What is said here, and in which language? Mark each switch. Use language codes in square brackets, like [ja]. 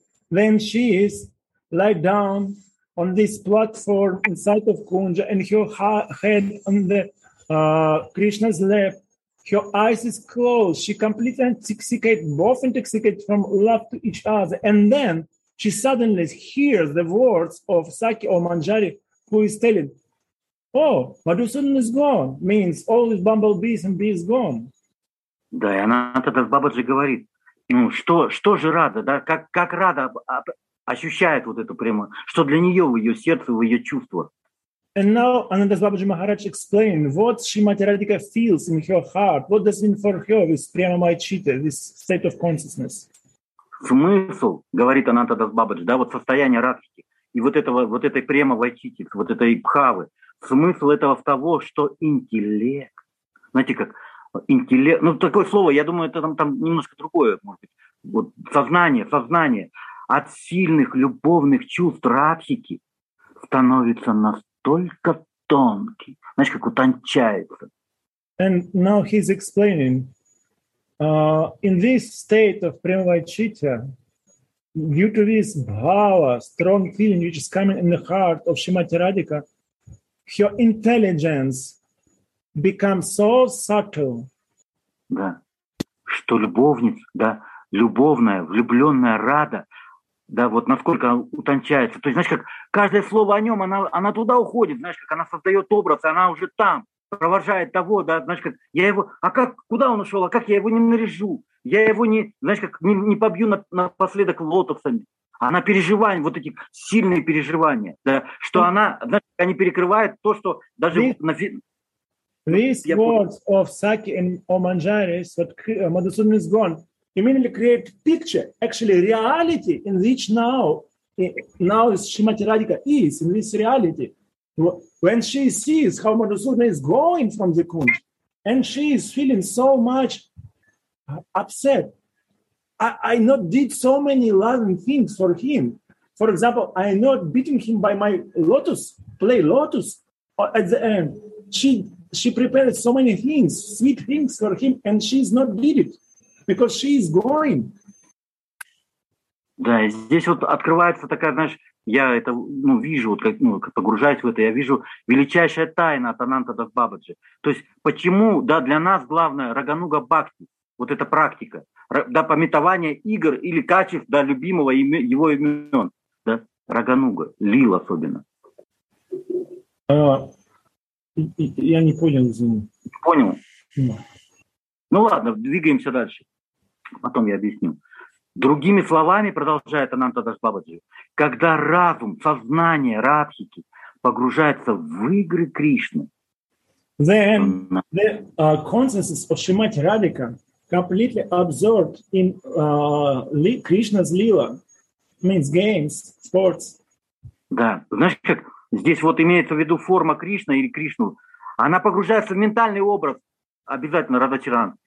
[en] Then she is lie down on this platform inside of Kunja, and her head on the Krishna's lap. Her eyes is closed. She completely intoxicated, both intoxicated from love to each other. And then she suddenly hears the words of Saki or Manjari, who is telling, oh, Madhusudan is gone. Means all these bumblebees and bees gone. [ru] Да, и она тогда с Бабаджи говорит, ну что, что же Рада, да, как Рада ощущает вот эту прямо, что для нее в ее сердце, в ее чувствах. [en] And now Anandas Babaji Maharaj explained what Srimati Radhika feels in her heart. What does it mean for her, this Priyamamaichita, this state of consciousness? [ru] Смысл, говорит Анандас Бабаджи, да, вот состояние радхи и вот этого, вот этой Приямамаичити, вот этой бхавы, смысл этого в того, что интеллект, знаете как, интеллект, ну такое слово, я думаю, это там немножко другое, может быть, вот сознание от сильных любовных чувств радхи становится настолько только тонкий, знаешь, как утончается. [en] And now he's explaining, in this state of Premavaichitya, due to this bhava, strong feeling which is coming in the heart of Srimati Radhika, her intelligence becomes so subtle. [ru] Да, что любовница, да, любовная, влюбленная Рада. Да, вот насколько утончается. То есть, знаешь, как каждое слово о нем, она туда уходит, знаешь, как она создает образ, она уже там, провожает того, да, знаешь, как я его, а как, куда он ушел, а как я его не наряжу, я его не, знаешь, как не побью напоследок лотосами. Она переживает вот эти сильные переживания, да, что она, знаешь, они перекрывают то, что даже [en] These words of Saki and Omanjari, that Madhusudan is gone, immediately create picture, actually reality in which now is Srimati Radhika is in this reality. When she sees how Madhusudan is going from the Kunj, and she is feeling so much upset. I not did so many loving things for him. For example, I not beating him by my lotus at the end. She prepared so many things, sweet things for him, and she's not did it. Because she is going. [ru] Да, здесь вот открывается такая, знаешь, я это, ну, вижу, вот как, ну, погружаюсь в это, я вижу величайшая тайна от Анандадас Бабаджи. То есть почему, да, для нас главное Рагануга Бхакти, вот эта практика, да, пометование игр или качеств, да, любимого его имен, да, Рагануга, Лил особенно. Я не понял, извини. Понял? Ну ладно, двигаемся дальше. Потом я объясню. Другими словами, продолжает Анандадас Бабаджи, когда разум, сознание радхики погружается в игры Кришны, [en] then the consciousness of Srimati Radhika completely absorbed in Krishna's lila, means games, sports. [ru] Да, знаешь, как здесь вот имеется в виду форма Кришны или Кришну, она погружается в ментальный образ, обязательно Радха Чаран.